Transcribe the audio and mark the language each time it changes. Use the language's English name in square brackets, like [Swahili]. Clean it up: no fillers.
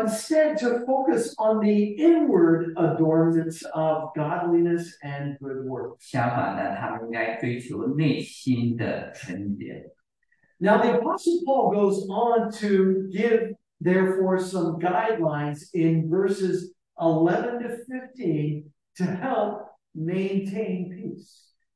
[English] instead to focus on the inward adornments of godliness and good works. [Chinese] 相反的，他们应该追求内心的纯洁。 [English] Now the Apostle Paul goes on to give, therefore, some guidelines in verses 11 to 15 to help maintain peace.